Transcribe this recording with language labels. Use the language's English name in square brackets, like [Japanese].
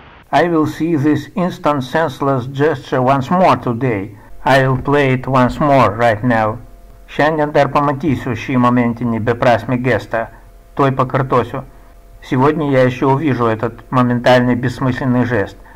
[English] I will see this instant senseless gesture once more today. I will play it once more right now. [Lithuanian] Šiandien dar pamatysiu šį momentinį beprasmį gestą. Tuoj pakartosiu. [Russian] Сегодня я еще увижу этот моментальный бессмысленный жест.